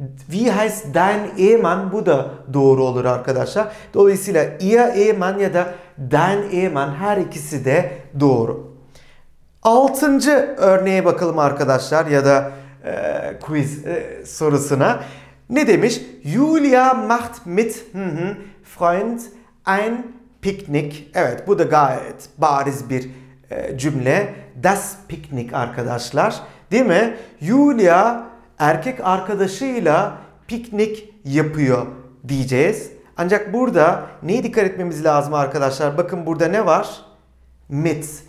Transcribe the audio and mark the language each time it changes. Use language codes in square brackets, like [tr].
[de] Wie heißt dein Ehemann? [tr] Bu da doğru olur arkadaşlar. Dolayısıyla ihr Ehemann ya da dein Ehemann her ikisi de doğru. 6. örneğe bakalım arkadaşlar ya da quiz sorusuna. Ne demiş? [de] Julia macht mit Freund ein Picknick. [tr] Evet, bu da gayet bariz bir cümle. Das Picknick arkadaşlar. Değil mi? Julia erkek arkadaşıyla piknik yapıyor diyeceğiz. Ancak burada neye dikkat etmemiz lazım arkadaşlar? Bakın burada ne var? Mit.